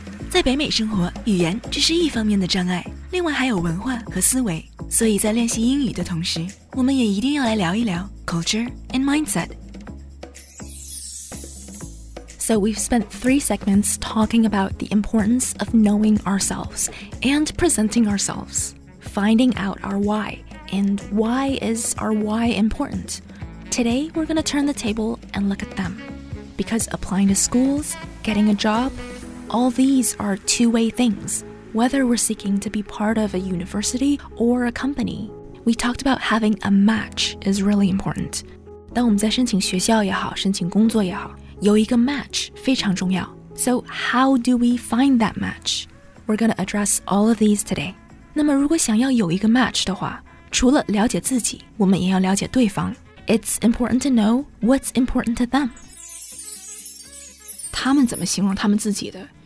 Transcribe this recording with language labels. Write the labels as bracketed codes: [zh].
[zh] 在北美生活，语言只是一方面的障碍，另外还有文化和思维。所以在练习英语的同时，我们也一定要来聊一聊 [en] culture and mindset。 So we've spent 3 segments talking about the importance of knowing ourselves and presenting ourselves, finding out our why, and why is our why important? Today, we're going to turn the table and look at them. Because applying to schools, getting a job, all these are two-way things, whether we're seeking to be part of a university or a company. We talked about having a match is really important. [zh] 当我们在申请学校也好，申请工作也好，有一个 match 非常重要。 [en] So how do we find that match? We're going to address all of these today. [zh] 那么如果想要有一个 match 的话，除了了解自己，我们也要了解对方。 [en] It's important to know what's important to them. [zh] 他们怎么形容他们自己的？